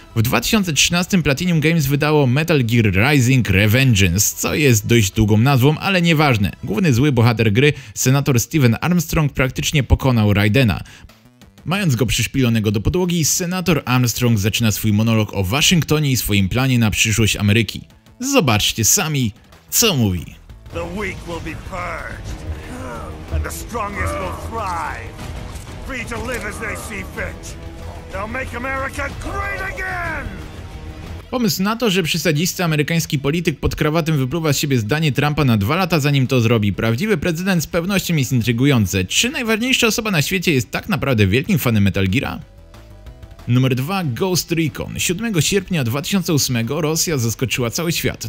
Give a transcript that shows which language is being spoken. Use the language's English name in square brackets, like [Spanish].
[Polish] W 2013 Platinum Games wydało Metal Gear Rising Revengeance, co jest dość długą nazwą, ale nieważne. Główny zły bohater gry, senator Steven Armstrong, praktycznie pokonał Raidena. Mając go przyszpilonego do podłogi, senator Armstrong zaczyna swój monolog o Waszyngtonie i swoim planie na przyszłość Ameryki. Zobaczcie sami, co mówi. [English] The weak will be purged, and the strongest will thrive. Free to live as they see fit. They'll make America great again! [Polish] Pomysł na to, że przysadzisty amerykański polityk pod krawatem wypluwa z siebie zdanie Trumpa na 2 lata, zanim to zrobi prawdziwy prezydent, z pewnością jest intrygujące. Czy najważniejsza osoba na świecie jest tak naprawdę wielkim fanem Metal Geara? Numer 2. Ghost Recon. 7 sierpnia 2008 Rosja zaskoczyła cały świat.